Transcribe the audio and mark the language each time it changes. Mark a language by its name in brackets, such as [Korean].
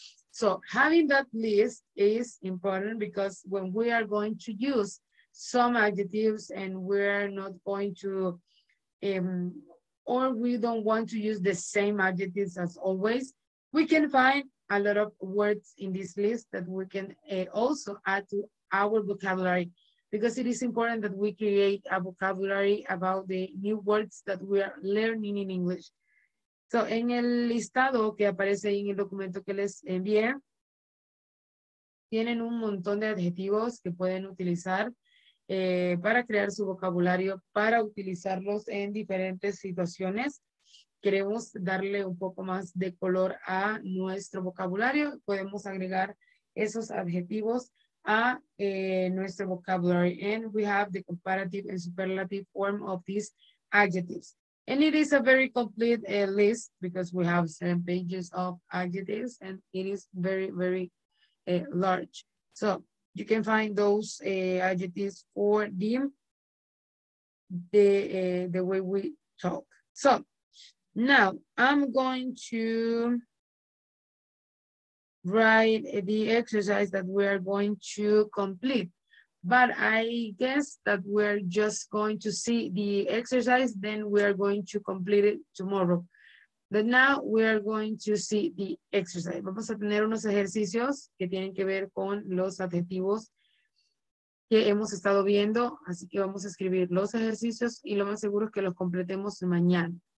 [English] So having that list is important because when we are going to use some adjectives and we're not going to, or we don't want to use the same adjectives as always, we can find a lot of words in this list that we can also add to our vocabulary, because it is important that we create a vocabulary about the new words that we are learning in English. [Spanish] So en el listado que aparece ahí en el documento que les envié, tienen un montón de adjetivos que pueden utilizar para crear su vocabulario, para utilizarlos en diferentes situaciones. Queremos darle un poco más de color a nuestro vocabulario. Podemos agregar esos adjetivos a nuestro vocabulary. [English] And we have the comparative and superlative form of these adjectives. And it is a very complete list because we have 7 pages of adjectives and it is very, very large. So you can find those adjectives for the way we talk. So now I'm going to write the exercise that we are going to complete. But I guess that we're just going to see the exercise, then we are going to complete it tomorrow. But now we are going to see the exercise. [Spanish] Vamos a tener unos ejercicios que tienen que ver con los adjetivos que hemos estado viendo. Así que vamos a escribir los ejercicios y lo más seguro es que los completemos mañana.